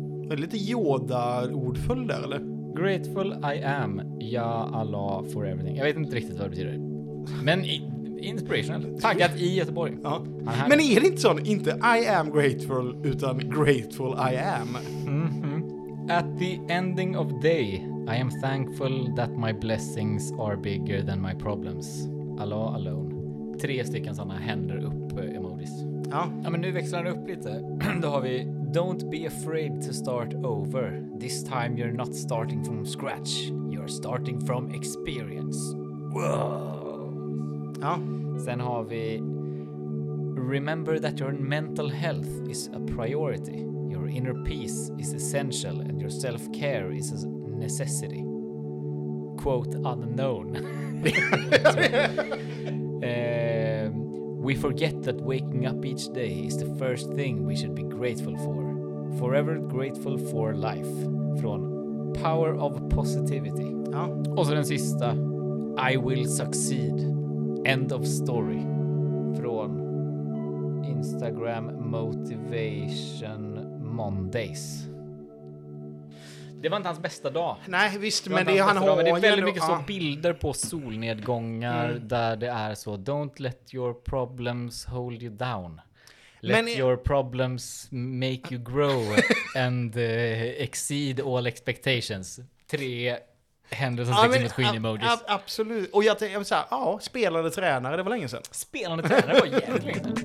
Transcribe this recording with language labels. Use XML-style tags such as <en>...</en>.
<sv>Det är lite Yoda-ordfull där, eller?</sv> <en>Grateful I am ya Allah for everything.</en> <sv>Jag vet inte riktigt vad det betyder. Men inspirational. Taggat i Göteborg. Ja. Men är det inte sån, inte</sv> <en>I am grateful,</en> <sv>utan</sv> <en>grateful I am?</en> <sv>Mm-hmm.</sv> <en>At the ending of day, I am thankful that my blessings are bigger than my problems. Allah alone.</en> <sv>Tre stycken sådana händer upp emojis. Ja. Ja, men nu växlar det upp lite. Då har vi,</sv> <en>don't be afraid to start over. This time you're not starting from scratch. You're starting from experience. Whoa. Ja.</en> <sv>Sen har vi,</sv> <en>remember that your mental health is a priority. Your inner peace is essential and your self-care is a necessity. Quote unknown. We forget that waking up each day is the first thing we should be grateful for. Forever grateful for life. Från Power of Positivity.</en> <sv>Ja. Och så den sista.</sv> <en>I will succeed. End of story.</en> <sv>Från Instagram Motivation Mondays. Det var inte hans bästa dag. Nej, visst, det, men det han har, men det är väldigt mycket så bilder på solnedgångar där det är så,</sv> <en>don't let your problems hold you down. Let men, your problems make you grow and exceed all expectations.</en> <sv>Tre händer som sex skin emojis. Absolut. Och jag tänkte så här, ja, spelande tränare, det var länge sedan. Spelande tränare var jävligt länge.</sv>